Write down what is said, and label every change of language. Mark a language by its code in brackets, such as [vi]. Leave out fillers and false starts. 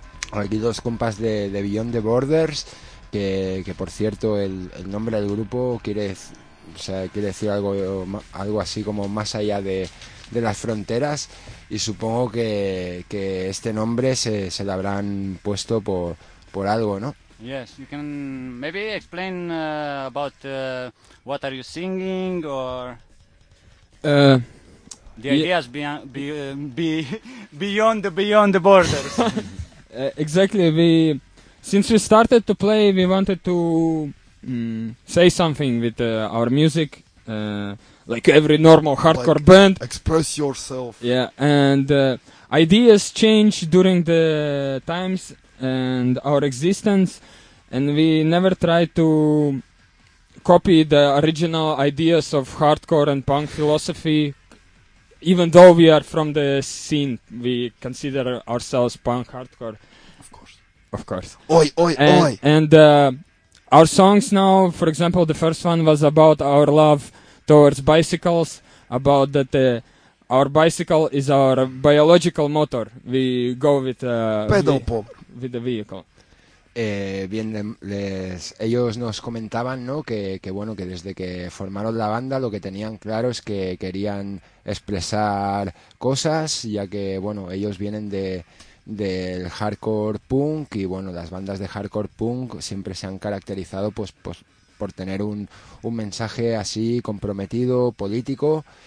[es] Aquí dos compas de Beyond the Borders, que por cierto el nombre del grupo quiere decir algo así como más allá de las fronteras, y supongo que este nombre se lo habrán puesto por algo, ¿no? [en] Yes, you can maybe explain about what are you singing or ideas beyond the borders. Exactly. Since we started to play, we wanted to say something with our music, like every normal hardcore like band. Express yourself. Yeah, and ideas change during the times and our existence. And we never try to copy the original ideas of hardcore and punk philosophy, even though we are from the scene, we consider ourselves punk hardcore. Of course. Oi. And our songs now, for example, the first one was about our love towards bicycles, about that our bicycle is our biological motor. We go with with the vehicle. [es] Bien, ellos nos comentaban, ¿no?, que bueno, que desde que formaron la banda lo que tenían claro es que querían expresar cosas, ya que bueno, ellos vienen del hardcore punk, y bueno, las bandas de hardcore punk siempre se han caracterizado pues por tener un mensaje así comprometido, político.